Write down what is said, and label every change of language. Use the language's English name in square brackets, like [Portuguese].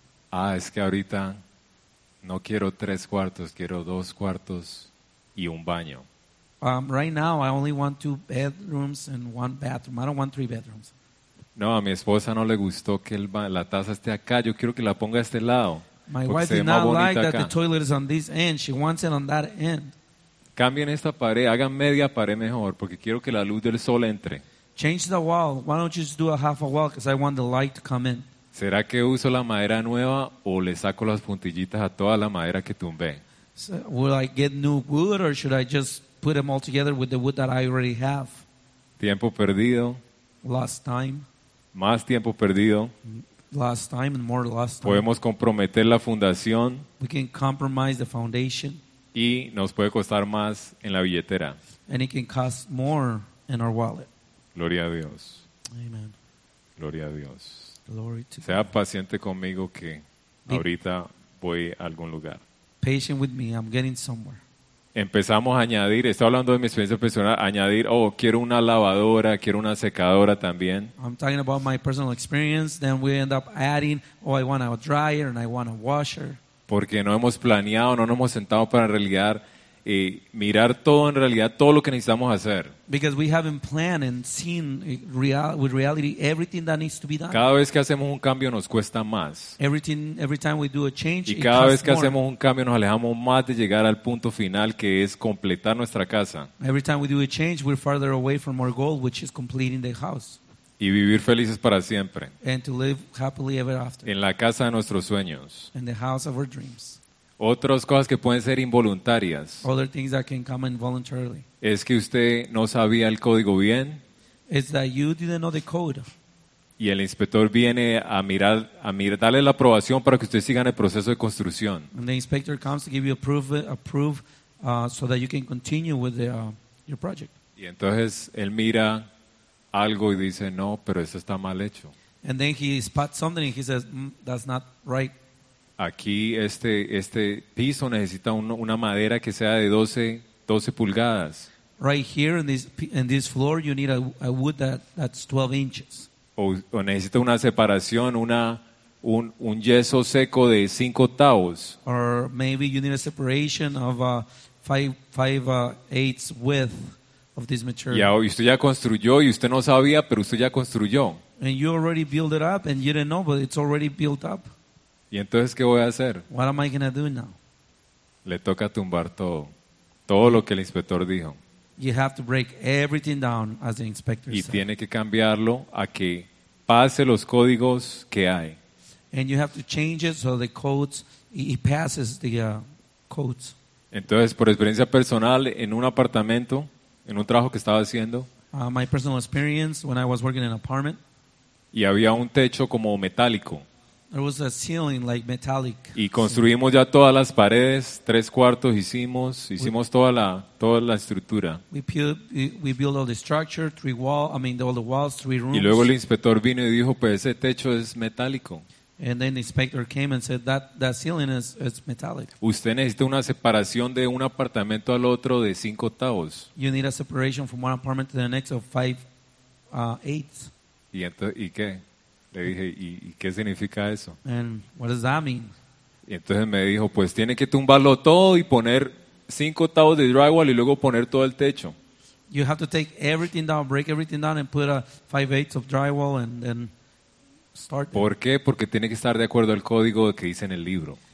[Spanish] Ah, es que ahorita no quiero tres cuartos, quiero dos cuartos y un baño. [English] Right now I only want two bedrooms and one bathroom. I don't want three bedrooms. [Spanish] No, a mi esposa no le gustó que la taza esté acá. Yo quiero que la ponga a este lado. [English] My wife did not like that the toilet is on this end. She wants it on that end. [Spanish] Cambien esta pared, hagan media pared mejor, porque quiero que la luz del sol entre. [English] Change the wall. Why don't you just do a half a wall? Because I want the light to come in. [Spanish] ¿Será que uso la madera nueva o le saco las puntillitas a toda la madera que tumbé? [English] So, will I get new wood or should I just put them all together with the wood that I already have? [Spanish] Tiempo perdido. [English] Lost time. [Spanish] Más tiempo perdido. [English] Last time and more last time. [Spanish] Podemos comprometer la fundación. [English] We can compromise the foundation. [Spanish] Y nos puede costar más en la billetera. [English] And it can cost more in our wallet. [Spanish] Gloria a Dios. [English] Amen. [Spanish] Gloria a Dios. [English] Glory to [Spanish] God. Sea paciente conmigo que ahorita voy a algún lugar. [English] Patient with me, I'm getting somewhere. [Spanish] Empezamos a añadir, estoy hablando de mi experiencia personal, añadir, oh, quiero una lavadora, quiero una secadora también. [English] I'm talking about my personal experience, then we end up adding, oh, I want a dryer and I want a washer. [Spanish] Porque no hemos planeado, no nos hemos sentado para en realidad mirar todo, en realidad, todo lo que necesitamos hacer. [English] Because we haven't planned and seen with reality everything that needs to be done. [Spanish] Cada vez que hacemos un cambio nos cuesta más. [English] Every time we do a change, [Spanish] y cada vez que [English] more. [Spanish] Hacemos un cambio nos alejamos más de llegar al punto final que es completar nuestra casa. [English] Every time we do a change, we're farther away from our goal, which is completing the house. [Spanish] Y vivir felices para siempre. [English] And to live happily ever after. [Spanish] En la casa de nuestros sueños. [English] In the house of our dreams. [Spanish] Otras cosas que pueden ser involuntarias. [English] Other things that can come involuntarily. [Spanish] Es que usted no sabía el código bien. [English] It's that you didn't know the code. [Spanish] Y el inspector viene a mirar, darle la aprobación para que usted siga en el proceso de construcción. [English] And the inspector comes to give you approve, so that you can continue with your project. [Spanish] Y entonces él mira algo y dice no, pero eso está mal hecho. [English] And then he spots something and he says that's not right. [Spanish] Aquí este piso necesita una madera que sea de 12 pulgadas. [English] Right here in this floor you need a wood that's 12 inches. [Spanish] O necesita una separación, un yeso seco de 5 tavos. [English] Or maybe you need a separation of a 5/8 width of this material. [Spanish] Ya, y usted ya construyó y usted no sabía, pero usted ya construyó. [English] And you already built it up and you didn't know, but it's already built up. [Spanish] Y entonces, ¿qué voy a hacer? [English] What am I gonna do now? [Spanish] Le toca tumbar todo. Todo lo que el inspector dijo. [English] You have to break everything down, as the inspector [Spanish] y [English] said. [Spanish] Tiene que cambiarlo a que pase los códigos que hay. [English] And you have to change it so the codes, it passes the codes. [Spanish] Entonces, por experiencia personal, en un apartamento, en un trabajo que estaba haciendo. [English] My personal experience when I was working in an apartment. [Spanish] Y había un techo como metálico. [English] There was a ceiling like metallic. [Spanish] Y construimos ya todas las paredes, tres cuartos hicimos toda la estructura. [English] We built all the structure, all the walls, three rooms. [Spanish] Y luego el inspector vino y dijo, pues ese techo es metálico. [English] And then the inspector came and said that ceiling is metallic. [Spanish] Usted necesita una separación de un apartamento al otro de 5 octavos. [English] You need a separation from one apartment to the next of 5/8. [Spanish] ¿Y entonces y qué? Le dije, ¿y qué significa eso? [English] And what does that mean? [Spanish] Y entonces me dijo, pues tiene que tumbarlo todo y poner 5 octavos de drywall y luego poner todo el techo. [English] You have to take everything down, break everything down and put a 5/8 of drywall and then start. [Spanish] ¿Por qué? Porque tiene que estar de acuerdo al código que dice en el libro.